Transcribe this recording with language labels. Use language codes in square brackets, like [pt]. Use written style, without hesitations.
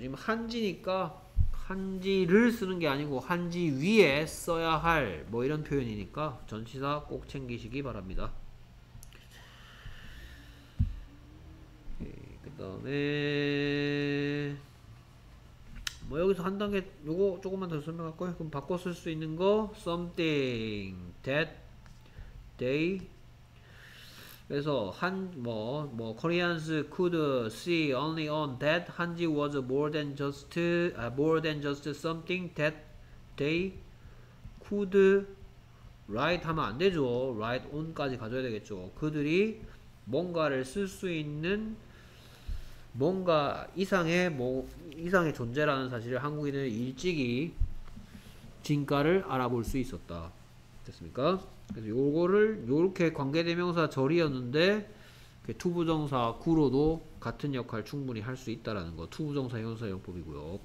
[ko] 지금 한지니까 한지를 쓰는 게 아니고 한지 위에 써야 할 뭐 이런 표현이니까 전치사 꼭 챙기시기 바랍니다. 그 다음에 뭐 여기서 한 단계 요거 조금만 더 설명할까요? 그럼 바꿔 쓸 수 있는 거 [en] something that they [ko] 그래서 한 뭐 [en] Koreans could see only on that 한지 was more than just more than just something that they could write [ko] 하면 안 되죠. [en] write on [ko] 까지 가져야 되겠죠. 그들이 뭔가를 쓸 수 있는 뭔가 이상의 뭐 이상의 존재라는 사실을 한국인은 일찍이 진가를 알아볼 수 있었다. 됐습니까? 그래서 요거를 요렇게 관계대명사 절이었는데 투부정사 구로도 같은 역할 충분히 할 수 있다라는 거 투부정사 형용사 용법이고요.